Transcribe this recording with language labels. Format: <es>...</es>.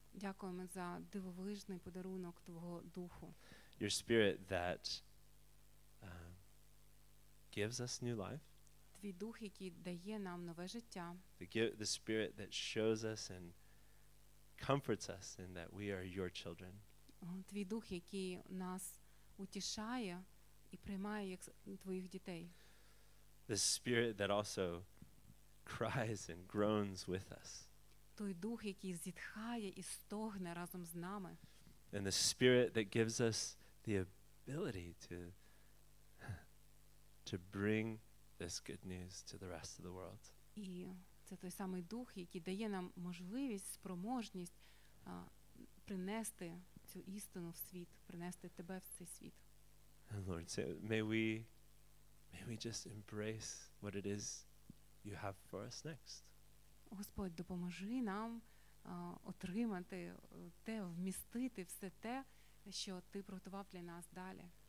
<uk>Дякуємо за дивовижний подарунок твого духу.</uk> <en>Your Spirit that gives us new life.</en> <uk>Твій дух, який дає нам нове життя.</uk> <en>The Spirit that shows us and comforts us in that we are your children.</en> <uk>Твій дух, який нас утішає і приймає як твоїх дітей.</uk> <en>The Spirit that also cries and groans with us.</en> <uk>Той дух, який зітхає і стогне разом з нами.</uk> <en>And the Spirit that gives us the ability to bring this good news to the rest of the world.</en> <uk>І це той самий дух, який дає нам можливість, спроможність принести цю істину в світ, принести тебе в цей світ.</uk> <en>And Lord, so may we just embrace what it is you have for us next.</en> <uk>Господь, допоможи нам отримати те, вмістити все те, що ти приготував для нас далі.</uk>